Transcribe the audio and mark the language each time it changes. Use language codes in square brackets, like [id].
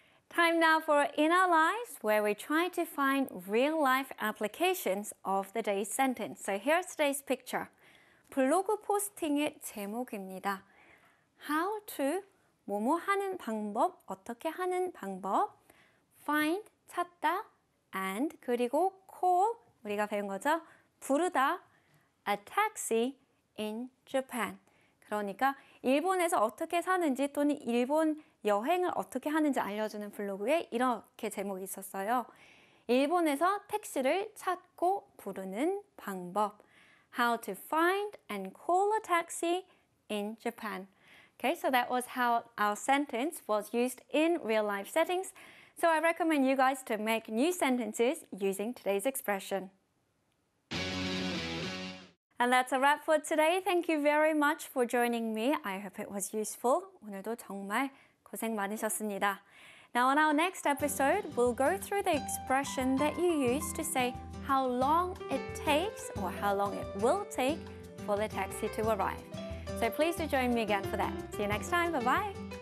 [en] Time now for In Our Lives, where we try to find real-life applications of the day's sentence. So here's today's picture. [ko] 블로그 포스팅의 제목입니다. How to 뭐뭐 하는 방법, 어떻게 하는 방법, find, 찾다, and 그리고 call, 우리가 배운 거죠. 부르다, [en] a taxi in Japan. [ko] 그러니까 일본에서 어떻게 사는지 또는 일본 여행을 어떻게 하는지 알려주는 블로그에 이렇게 제목이 있었어요. 일본에서 택시를 찾고 부르는 방법. [en] How to find and call a taxi in Japan. Okay, so that was how our sentence was used in real life settings. So I recommend you guys to make new sentences using today's expression. And that's a wrap for today. Thank you very much for joining me. I hope it was useful. [ko] 오늘도 정말 고생 많으셨습니다. [en] Now on our next episode, we'll go through the expression that you use to say how long it takes or how long it will take for the taxi to arrive. So please do join me again for that. See you next time. Bye-bye.